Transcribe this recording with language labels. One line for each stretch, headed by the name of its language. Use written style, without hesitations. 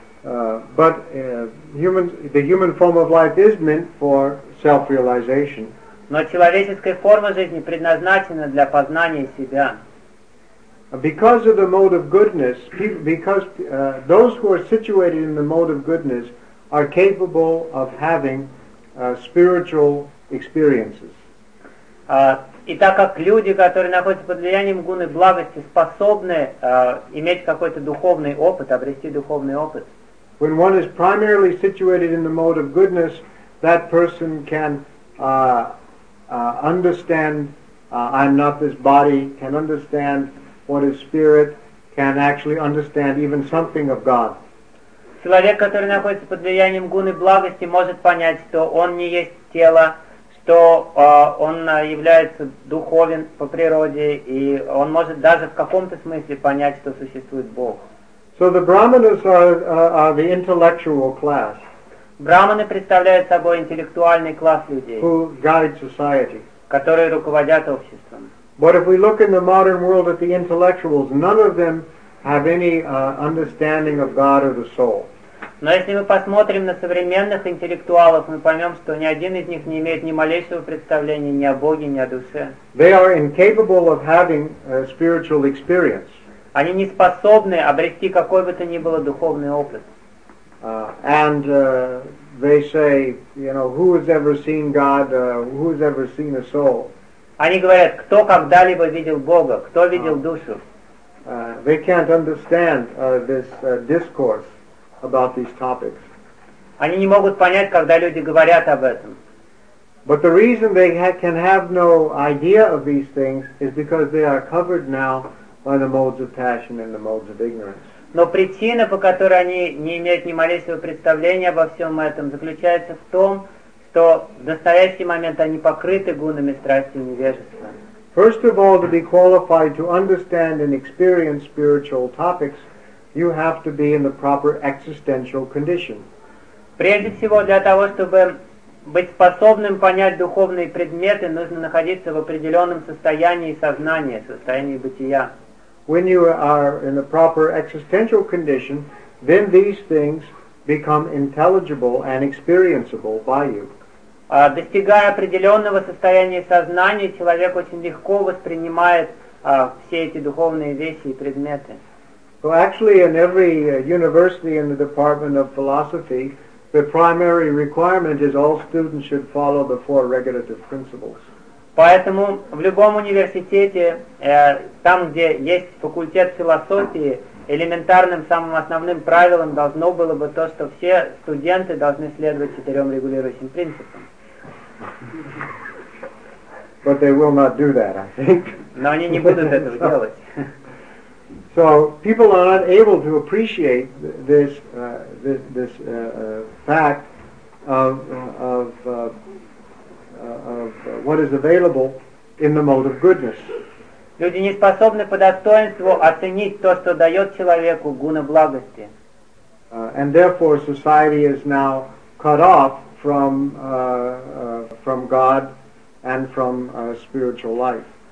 English: But the human form of life is meant for self-realization.
Russian: Но человеческая форма жизни предназначена для познания себя.
English: Because of the mode of goodness, because those who are situated in the mode of goodness are capable of having spiritual experiences.
Russian: И так как люди, которые находятся под влиянием гуны благости, способны иметь какой-то духовный опыт, обрести духовный опыт.
English: When one is primarily situated in the mode of goodness, that person can understand I'm not this body, can understand what is spirit, can actually understand even something of God.
Russian: Человек, который находится под влиянием гуны благости, может понять, что он не есть тело, что он является духовен по природе, и он может даже в каком-то смысле понять, что существует Бог.
English: So the brahmanas are the intellectual class.
Russian: Брахманы представляют собой интеллектуальный класс людей.
English: Who guide society?
Russian: Которые руководят обществом.
English: But if we look in the modern world at the intellectuals, none of them have any understanding of God or the soul.
Russian: Но если мы посмотрим на современных интеллектуалов, мы поймем, что ни один из них не имеет ни малейшего представления ни о Боге, ни о душе.
English: They are incapable of having spiritual experience.
Russian: Они не способны обрести какой бы то ни было духовный опыт.
English: And they say, you know, who has ever seen God, who has ever seen a soul?
Russian: Они говорят, кто когда-либо видел Бога, кто видел душу?
English: They can't understand this discourse about these topics.
Russian: Они не могут понять, когда люди говорят об этом.
English: But the reason they can have no idea of these things is because they are covered now by the modes of passion and the modes of ignorance.
Russian: Но причина, по которой они не имеют ни малейшего представления обо всем этом, заключается в том, что в настоящий момент они покрыты гунами страсти и невежества.
English: First of all, to be qualified to understand and experience spiritual topics, you have to be in the proper existential condition.
Russian: Прежде всего, для того, чтобы быть способным понять духовные предметы, нужно находиться в определенном состоянии сознания, состоянии бытия.
English: When you are in a proper existential condition, then these things become intelligible and experienceable by you.
Russian: Достигая определенного состояния сознания, человек очень легко воспринимает все эти духовные вещи и предметы.
English: So actually, in every university in the Department of Philosophy, the primary requirement is all students should follow the four regulative principles.
Russian: Поэтому в любом университете, там, где есть факультет философии, элементарным, самым основным правилом должно было бы то, что все студенты должны следовать четырем регулирующим принципам.
English: But they will not do that, I think.
Russian: Но они не будут этого делать.
English: So people are not able to appreciate this, this fact of what is available in the mode of goodness.
Russian: Люди не способны по достоинству оценить то, что дает человеку гуна благости.
English: And therefore society is now cut off from from God and from spiritual life.